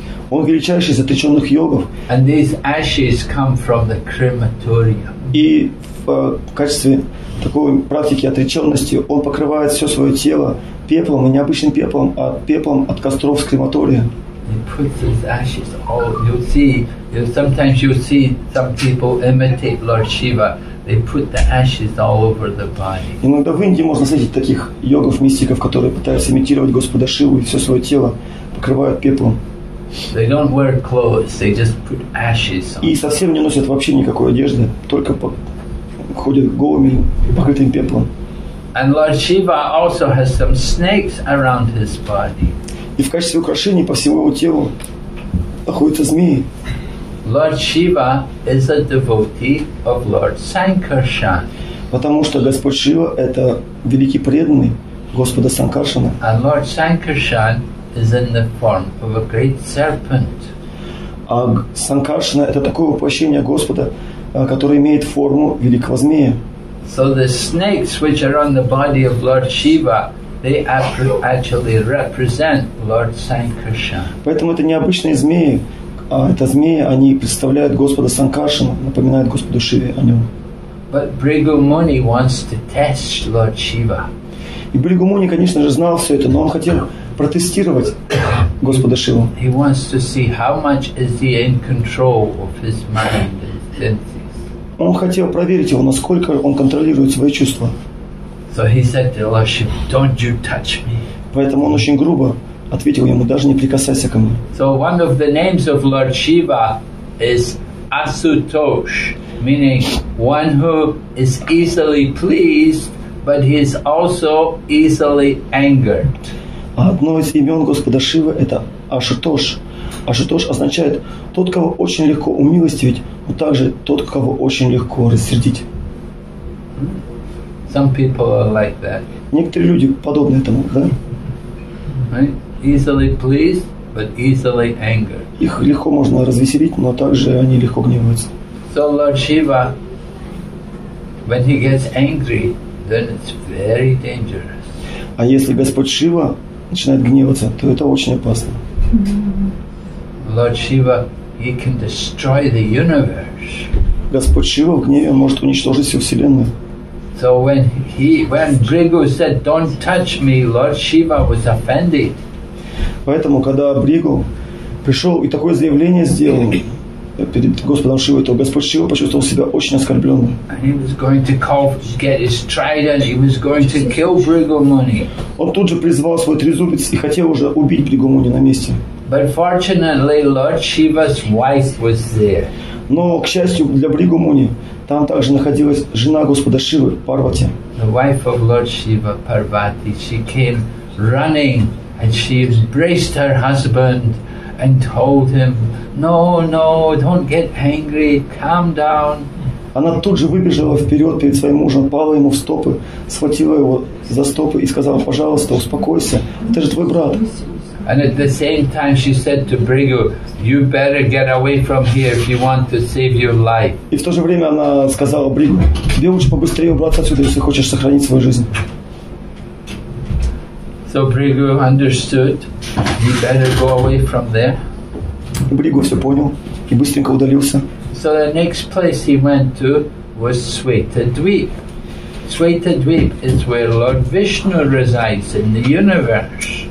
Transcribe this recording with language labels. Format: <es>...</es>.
<ru>Он величайший из отреченных йогов.</ru> <en>And these ashes come from the crematorium.</en> <ru>И в качестве такой практики отреченности он покрывает все свое тело пеплом, необычным пеплом, а пеплом от костров с крематория.</ru> <en>He puts his ashes all. Sometimes you see some people imitate Lord Shiva. They put the ashes all over the body.</en> <ru>Иногда в Индии можно встретить таких йогов, мистиков, которые пытаются имитировать Господа Шиву и все свое тело покрывают пеплом.</ru> <en>They don't wear clothes. They just put ashes on.</en> <ru>И совсем не носят вообще никакой одежды, только ходят голыми, покрытыми пеплом.</ru> <en>And Lord Shiva also has some snakes around his body.</en> <ru>И в качестве украшений по всему его телу находятся змеи.</ru> <en>Lord Shiva is a devotee of Lord Sankarshan.</en> <ru>Потому что Господь Шива – это великий преданный Господа Санкаршана.</ru> <en>And Lord Sankarshan is in the form of a great serpent.</en> <ru>А Санкаршана – это такое воплощение Господа, которое имеет форму великого змея.</ru> <en>So the snakes which are on the body of Lord Shiva, they actually represent Lord Sankarshan.</en> <ru>Поэтому это необычные змеи, а это змеи, они представляют Господа Санкаршана, напоминают Господу Шиве о нем.</ru> <en>But Bhrigu Muni wants to test Lord Shiva.</en> <ru>И Бригу Муни, конечно же, знал все это, но он хотел протестировать Господа Шиву.</ru> <en>He wants to see how much is he in control of his mind and senses.</en> <ru>Он хотел проверить его, насколько он контролирует свои чувства.</ru> <en>So he said to Lord Shiva, "Don't you touch me."</en> <ru>Поэтому он очень грубо ответил ему: "Даже не прикасайся ко мне."</ru> <en>So one of the names of Lord Shiva is Asutosh, meaning one who is easily pleased, but he is also easily angered.</en> <ru>Одно из имен Господа Шивы – это Ашутош. Ашутош означает тот, кого очень легко умилостивить, но также тот, кого очень легко рассердить.</ru> <en>Some people are like that.</en> <ru>Некоторые люди подобны этому, да?</ru> <en>Right? Easily pleased, but easily angered.</en> <ru>Их легко можно развеселить, но также они легко гневаются.</ru> <en>So Lord Shiva, when he gets angry, then it's very dangerous.</en> <ru>А если Господь Шива начинает гневаться, то это очень опасно.</ru> <en>Lord Shiva, he can destroy the universe.</en> <ru>Господь Шива в гневе может уничтожить всю вселенную.</ru> <en>So when Bhrigu said, "Don't touch me," Lord Shiva was offended.</en> <ru>Поэтому, когда Бригу пришел и такое заявление сделал, перед Господом Шивой, то Господь Шива почувствовал себя очень оскорбленным.</ru> <en>And he was going to call, get his trident, he was going to kill Bhrigu Muni.</en> <ru>Он тут же призвал свой трезубец и хотел уже убить Бригу Муни на месте.</ru> <en>But fortunately, Lord Shiva's wife was there.</en> <ru>Но, к счастью для Бригу Муни, там также находилась жена Господа Шивы, Парвати.</ru> <en>The wife of Lord Shiva, Parvati, she came running and she embraced her husband and told him, no, no, don't get angry, calm down.</en> <ru>Она тут же выбежала вперед перед своим мужем, пала ему в стопы, схватила его за стопы и сказала, пожалуйста, успокойся, это же твой брат.</ru> <en>And at the same time she said to Bhrigu, you better get away from here if you want to save your life.</en> <ru>И в то же время она сказала Бригу, тебе лучше побыстрее убраться отсюда, если хочешь сохранить свою жизнь.</ru> <en>So Bhrigu understood, you better go away from there.</en> <ru>Бригу все понял и быстренько удалился.</ru> <en>So the next place he went to was Svetadvip. Svetadvip is where Lord Vishnu resides in the universe.</en>